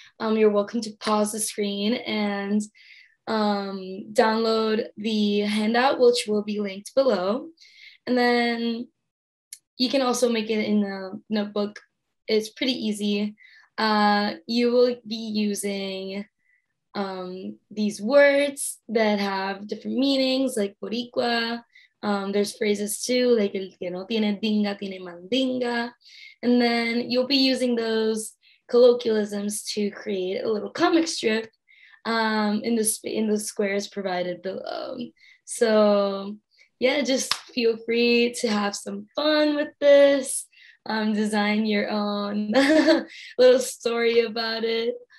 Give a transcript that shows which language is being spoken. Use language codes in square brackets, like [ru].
[en] You're welcome to pause the screen and download the handout, which will be linked below. And then you can also make it in the notebook. It's pretty easy. You will be using these words that have different meanings, like boricua. There's phrases too, like [es] el que no tiene dinga tiene mandinga. [en] And then you'll be using those colloquialisms to create a little comic strip in the squares provided below. So yeah, just feel free to have some fun with this. Design your own little story about it.